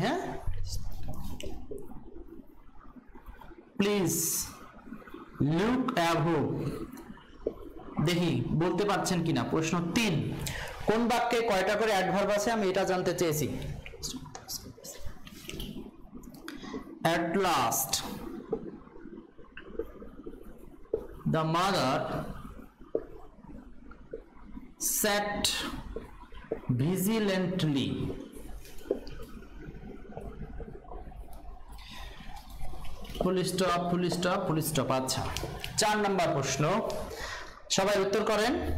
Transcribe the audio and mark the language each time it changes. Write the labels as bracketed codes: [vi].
[bn] হ্যাঁ [en] please look above, [bn] দেখি বলতে পারছেন কিনা। প্রশ্ন তিন, কোন বাক্যে কয়টা করে অ্যাডভার্ব আছে আমি এটা জানতে চেয়েছি। [en] At last the mother sat vigilantly, full stop. [bn] আচ্ছা চার নাম্বার প্রশ্ন, সবাই উত্তর করেন।